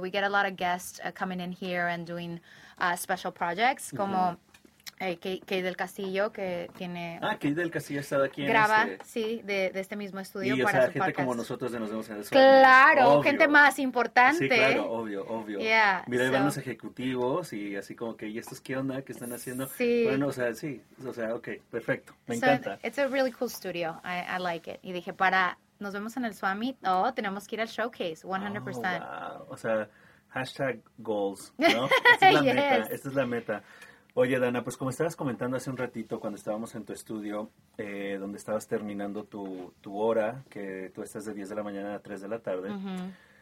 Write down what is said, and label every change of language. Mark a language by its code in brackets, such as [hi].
[en] We get a lot of guests coming in here and doing special projects, [es] como Kay del Castillo, que tiene... Ah, Kay del Castillo ha estado aquí. Graba, sí, de este mismo estudio y, para su podcast. Y, o sea, gente como nosotros de Nos Vemos en el Sol. ¡Claro! Obvio. Gente más importante. Sí, claro, obvio, obvio. [en] Yeah, [es] mira, ahí van los ejecutivos y así como que, ¿y estos qué onda? ¿Qué están haciendo? Sí. Bueno, o sea, sí, o sea, ok, perfecto, me encanta. [en] It's a really cool studio, I like it. [es] Y dije, para Nos Vemos en el Swami, oh, tenemos que ir al showcase, 100%. Oh, wow. O sea, hashtag goals, ¿no? Esta es la meta. Oye, Dana, pues como estabas comentando hace un ratito cuando estábamos en tu estudio, donde estabas terminando tu hora, que tú estás de 10 de la mañana a 3 de la tarde, uh-huh.